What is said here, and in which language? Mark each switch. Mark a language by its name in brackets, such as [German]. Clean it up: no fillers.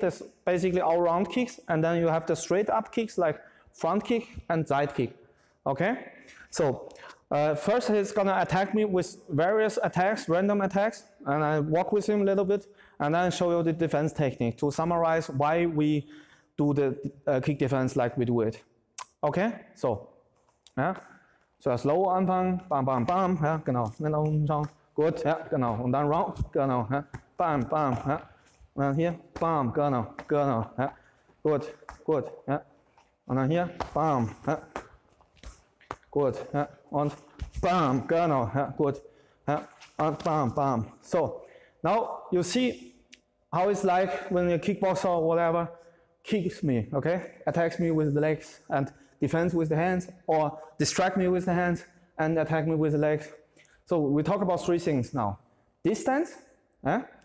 [English] That's basically all round kicks, and then you have the straight up kicks like front kick and side kick. Okay, so first he's gonna attack me with various attacks, random attacks, and I walk with him a little bit, and then show you the defense technique to summarize why we do the kick defense like we do it. Okay, so. [German] Ja, so das low anfangen, bam, bam, bam, ja, genau, gut, ja, genau, und dann round, genau, ja, bam, bam, ja, und dann hier, bam, genau, genau, ja, gut, gut, ja, und dann hier, bam, ja, gut, ja, und bam, genau, ja, gut, ja, und bam, bam. [English] So, now you see how it's like when a kickboxer or whatever kicks me, okay, attacks me with the legs and defends with the hands, or distract me with the hands, and attack me with the legs. So we talk about three things now. Distance, eh?